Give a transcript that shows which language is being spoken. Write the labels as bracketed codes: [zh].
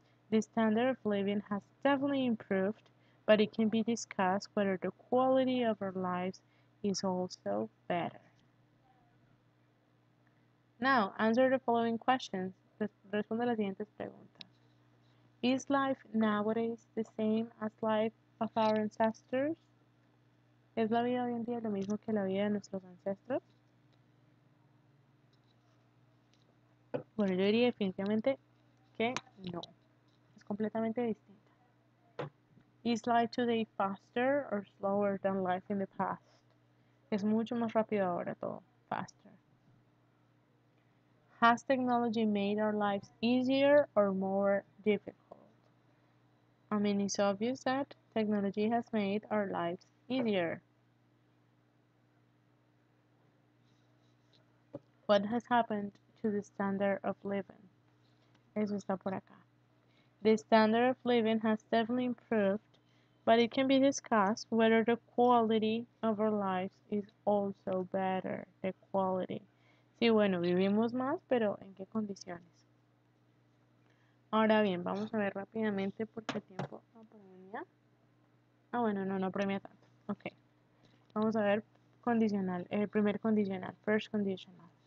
[en] The standard of living has definitely improved, but it can be discussed whether the quality of our lives is also better. Now, answer the following questions. [es] Responde las siguientes preguntas. [en] Is life nowadays the same as life of our ancestors? [es] ¿Es la vida hoy en día lo mismo que la vida de nuestros ancestros? Bueno, yo diría definitivamente que no. Es completamente distinta. [en] Is life today faster or slower than life in the past? [es] Es mucho más rápido ahora todo. [en] Faster. Has technology made our lives easier or more difficult? I mean, it's obvious that technology has made our lives easier. What has happened to the standard of living? [es] Eso está por acá. [en] The standard of living has definitely improved, but it can be discussed whether the quality of our lives is also better. The quality. [es] Sí, bueno, vivimos más, pero ¿en qué condiciones? Ahora bien, vamos a ver rápidamente porque el tiempo no apremia. Ah, bueno, no apremia tanto. Ok. Vamos a ver condicional, el primer condicional, [en] first conditional.